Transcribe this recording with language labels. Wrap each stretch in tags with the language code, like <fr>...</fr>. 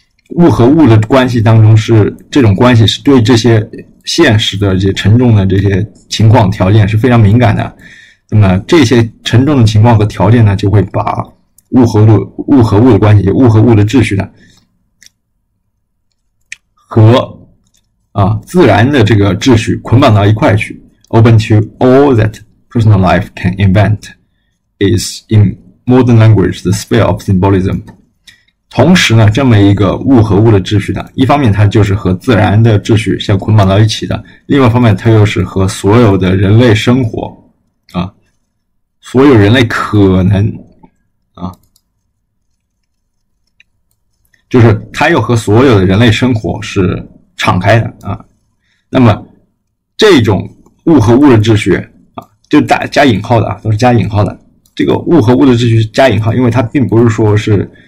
<zh>物和物的关系当中是这种关系，是对这些现实的这些沉重的这些情况条件是非常敏感的。那么这些沉重的情况和条件呢，就会把物和物的关系，物和物的秩序呢，和自然的这个秩序捆绑到一块去。</zh> <en>Open to all that personal life can invent is in modern language the sphere of symbolism。</en> <zh>同时呢，这么一个物和物的秩序呢，一方面它就是和自然的秩序相捆绑到一起的，另外一方面它又是和所有的人类生活，所有人类可能，就是它又和所有的人类生活是敞开的那么这种物和物的秩序就加引号的都是加引号的，这个物和物的秩序加引号，因为它并不是说是。</zh>